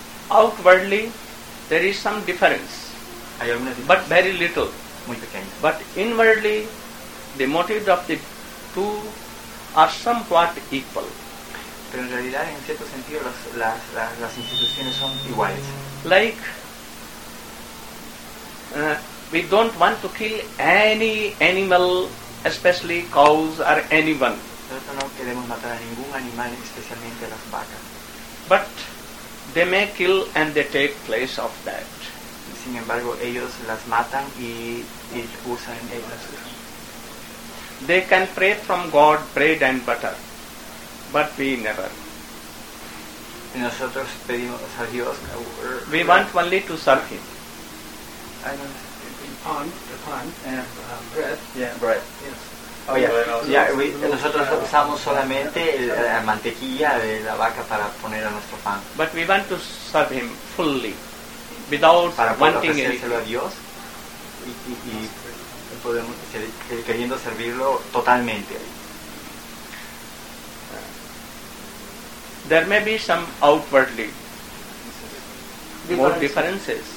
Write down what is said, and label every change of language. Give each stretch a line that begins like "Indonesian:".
English: Outwardly, there is some difference, but very little.
Spanish: Muy pequeño.
English: But inwardly, the motives of the two are somewhat equal.
Spanish: Pero en realidad, en cierto sentido, las instituciones son iguales.
English: Like, we don't want to kill any animal, especially cows or anyone.
Spanish: Nosotros no queremos matar a ningún animal, especialmente las vacas.
English: But they may kill and they take place of that.
Spanish: Sin embargo, ellos las matan y usan ellas.
English: They can pray from God bread and butter, but we never.
Spanish: Nosotros pedimos a Dios.
English: We want only to serve Him. The pan and bread. Yeah, bread. Yes. Oh yeah. Yeah.
Spanish: Nosotros usamos solamente la mantequilla de la vaca para poner a nuestro pan.
English: But we want to serve Him fully, without
Spanish: para
English: wanting anything.
Spanish: A Dios. Y podemos queriendo servirlo totalmente.
English: There may be some outwardly more differences.